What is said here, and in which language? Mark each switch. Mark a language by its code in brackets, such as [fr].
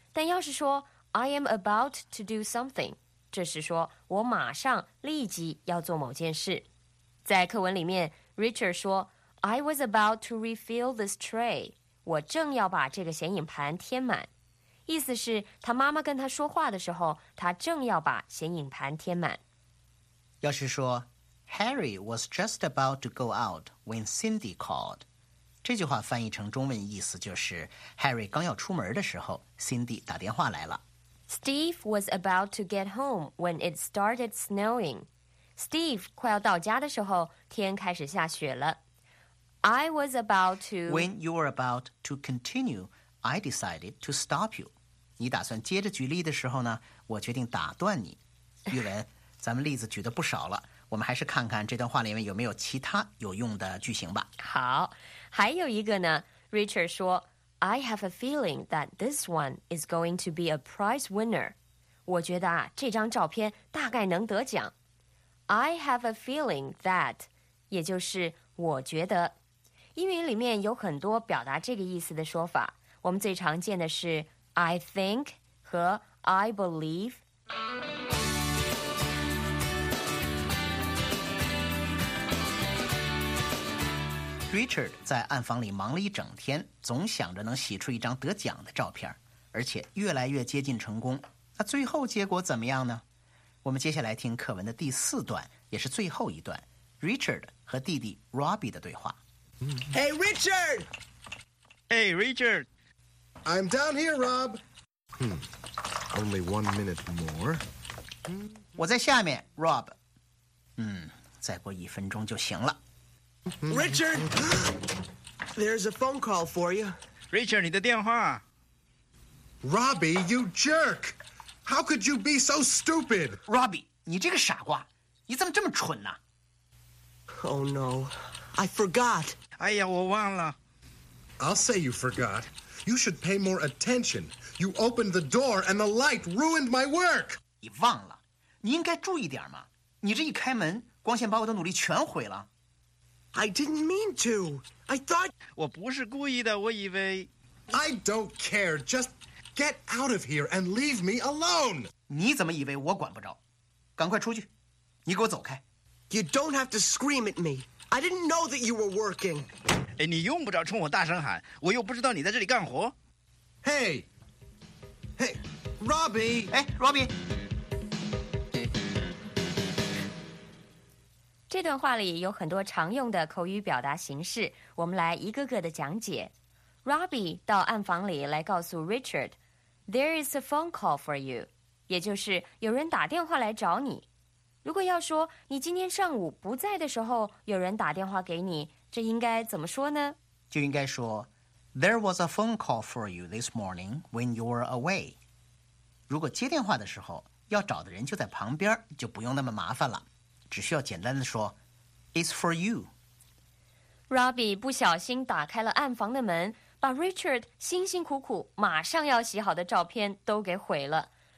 [zh] 但要是说 [en] I am about to do something， [zh] 这是说我马上立即要做某件事。在课文里面 Richard 说 [en] I was about to refill this tray， [zh] 我正要把这个显影盘填满，意思是他妈妈跟他说话的时候，他正要把显影盘填满。要是说 [en] Harry was just about to go out when Cindy called. [zh] 这句话翻译成中文意思就是 Harry 刚要出门的时候 Cindy 打电话来了。 [en] Steve was about to get home when it started snowing. [zh] Steve 快要到家的时候天开始下雪了。 [en] I was about to... When you were about to continue, I decided to stop you. [zh] 你打算接着举例的时候呢，我决定打断你。玉文，咱们例子举得不少了，我们还是看看这段话里面有没有其他有用的句型吧。好，还有一个呢， [en] Richard 说 I have a feeling that this one is going to be a prize winner. [zh] 我觉得啊，这张照片大概能得奖。 [en] I have a feeling that， [zh] 也就是我觉得。英语里面有很多表达这个意思的说法，我们最常见的是 [en] I think [zh] 和 [en] I believe。 [zh] Richard 在暗房里忙了一整天，总想着能洗出一张得奖的照片，而且越来越接近成功。那最后结果怎么样呢？我们接下来听课文的第四段，也是最后一段 ，Richard 和弟弟 Robbie 的对话。 [en] Hey Richard! Hey Richard! I'm down here, Rob. Only 1 minute more. [zh] 我在下面 ，Rob。再过一分钟就行了。 [en] Richard, there's a phone call for you. [zh] Richard, 你的电话。 [en] Robbie, you jerk! How could you be so stupid? [zh] Robbie, 你这个傻瓜，你怎么这么蠢呢？ [en] Oh no, I forgot. [zh] 哎呀，我忘了。 [en] I'll say you forgot. You should pay more attention. You opened the door and the light ruined my work. [zh] 你忘了，你应该注意点嘛。你这一开门，光线把我的努力全毁了。 [en] I didn't mean to. I thought... [zh] 我不是故意的，我以为... [en] I don't care. Just get out of here and leave me alone. [zh] 你怎么以为我管不着？赶快出去，你给我走开。 [en] You don't have to scream at me. I didn't know that you were working. [zh] 哎，你用不着冲我大声喊，我又不知道你在这里干活。 [en] Hey! Hey, Robbie! [zh] 哎 ,Robbie! 这段话里有很多常用的口语表达形式，我们来一个个的讲解。 Robbie 到暗房里来告诉 Richard, [en] There is a phone call for you, [zh] 也就是有人打电话来找你。如果要说你今天上午不在的时候有人打电话给你，这应该怎么说呢？就应该说 There was a phone call for you this morning when you were away. 如果接电话的时候要找的人就在旁边，就不用那么麻烦了。只需要简单的说 [en] It's for you. [zh] Robbie 不小心打开了暗房的门，把 Richard 辛辛苦苦马上要洗好的照片都给毁了。